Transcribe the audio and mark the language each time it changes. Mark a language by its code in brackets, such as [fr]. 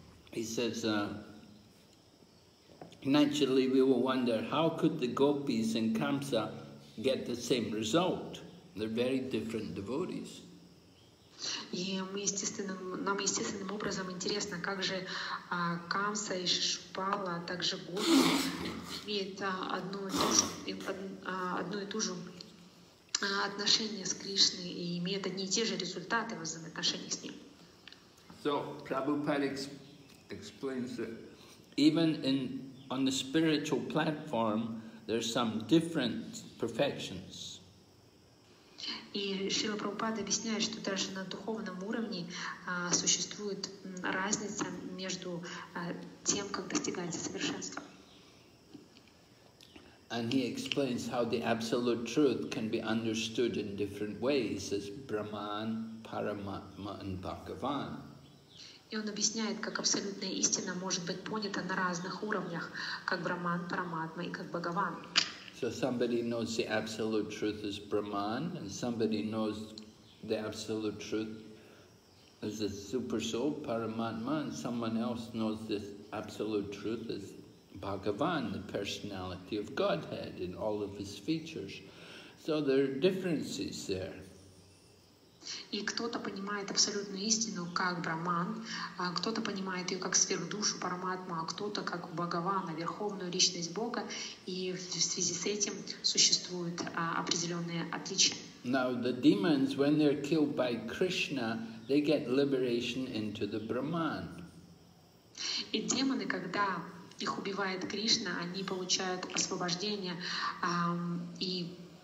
[en] He says, naturally, we will wonder how could the gopis and Kamsa get the same result? They're very different devotees. [ru] И мы нам естественным образом интересно, как же Камса и Шишупала, а также гопи имеют одну и ту же отношение с Кришной и имеют одни и те же результаты в взаимоотношениях с ним. [en] So Prabhupada explains that even in on the spiritual platform, there are some different perfections. [ru] И Шрила Прабхупада объясняет, что даже на духовном уровне существует разница между тем, как достигается совершенство. [en] And he explains how the absolute truth can be understood in different ways as Brahman, Paramatma, and Bhagavan. [ru] И он объясняет, как абсолютная истина может быть понята на разных уровнях, как Брахман, Параматма и как Бхагаван. [en] So somebody knows the absolute truth as Brahman, and somebody knows the absolute truth as a super soul, Paramatma, and someone else knows this absolute truth as Bhagavan, the personality of Godhead in all of his features. So there are differences there. [ru] И кто-то понимает абсолютную истину как Брахман, а кто-то понимает ее как сверхдушу Параматму, а кто-то как Бхагавана, верховную личность Бога, и в связи с этим существуют определенные отличия. [en] Now the demons, when they're killed by Krishna, they get liberation into the Brahman. [ru] И демоны, когда их убивает Кришна, они получают освобождение и